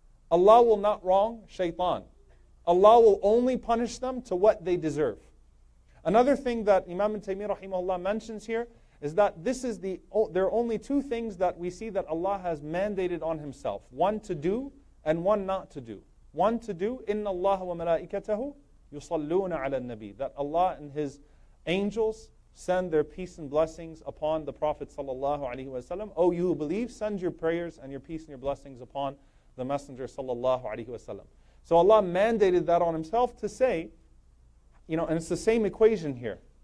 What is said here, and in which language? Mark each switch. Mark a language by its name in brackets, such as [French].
[English] Allah will not wrong Shaytan. Allah will only punish them to what they deserve. Another thing that Imam Taymiyyah rahimahullah mentions here is that this is the there are only two things that we see that Allah has mandated on himself. One to do and one not to do. One to do, [Arabic] إن الله وملائكته يصلون على النبي. [English] That Allah and his angels send their peace and blessings upon the Prophet sallallahu alaihi wasallam. O you who believe, send your prayers and your peace and your blessings upon the Messenger sallallahu alaihi wasallam. So Allah mandated that on himself to say, you know, and it's the same equation here.